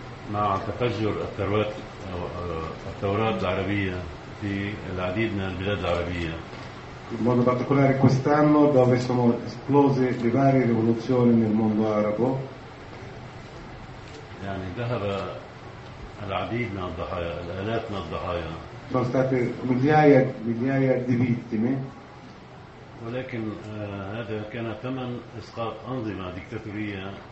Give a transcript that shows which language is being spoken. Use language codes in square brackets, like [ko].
[ar] مع تفجر الثورات العربية في العديد من البلاد العربية. [it] In modo particolare quest'anno dove sono esplose le varie rivoluzioni nel mondo arabo. [ar] يعني ذهب العديد من الضحايا، الآلاف من الضحايا. [it] Sono state migliaia di vittime. [ar] ولكن هذا كان ثمن إسقاط أنظمة ديكتاتورية.